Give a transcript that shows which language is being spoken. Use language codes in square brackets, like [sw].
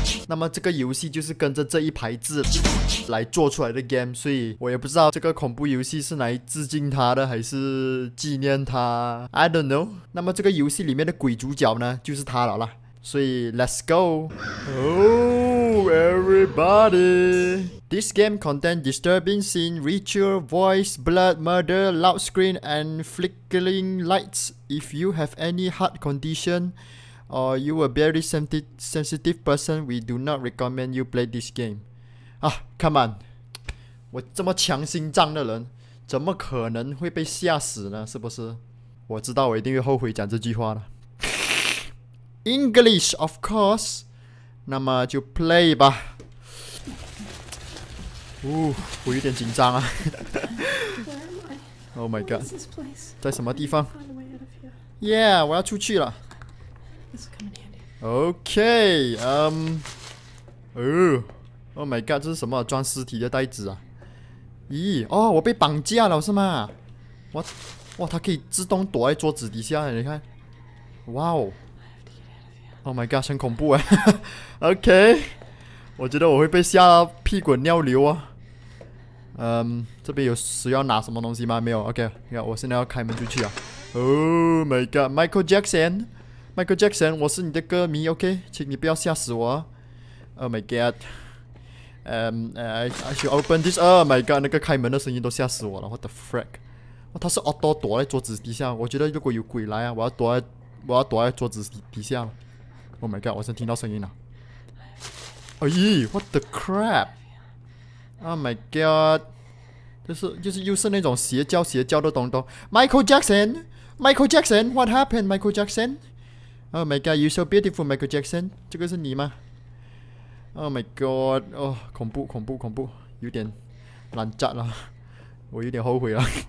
[zh] 那么这个游戏就是跟着这一排字来做出来的 game， 所以我也不知道这个恐怖游戏是来致敬他的还是纪念他， [en] I don't know。 [zh] 那么这个游戏里面的鬼主角呢就是他了啦，所以 [en] Let's go。 Oh everybody， This game contains disturbing scene, ritual, voice, blood, murder, loud screen and flickering lights. If you have any heart condition,Or you a very sensitive person, we do not recommend you play this game. Ah, come on. [zh] 我这么强心脏的人怎么可能会被吓死呢，是不是？我知道我一定会后悔讲这句话了。 [en] English, of course. [zh] 那么就 play 吧。哦，我有点紧张啊。 [en] Oh my god. [zh] 在什么地方？ [en] Yeah, [zh] 我要出去了。 [en] Okay, oh my god, [zh] 这是什么装尸体的袋子啊？咦，哦，我被绑架了是吗？哇，哇，它可以自动躲在桌子底下，你看，哇哦 ， [en] Oh my god, [zh] 很恐怖哎。 Okay, 我觉得我会被吓屁滚尿流啊。这边有需要拿什么东西吗？没有 ，Okay, 你看，我现在要开门出去啊。 [en] Oh my god, [zh] Michael Jackson。 Michael Jackson， 我是你的歌迷 ，OK， 请你不要吓死我。 [en] Oh my god， I should open this. [zh] Oh my god， 那个开门的声音都吓死我了。 [en] What the frick？ [zh] 哇，他是 auto 躲在桌子底下。我觉得如果有鬼来啊，我要躲在桌子底下。 [en] Oh my god， [zh] 我先听到声音了。哎 ， [en] What the crap？ Oh my god， [zh] 就是那种邪教的东东。 [en] Michael Jackson， What happened， Michael Jackson？ Oh my god, you're so beautiful, Michael Jackson. [zh] 这个是你吗 ？ [en] Oh my god, [zh] 哦，恐怖，有点难扎了，我有点后悔了。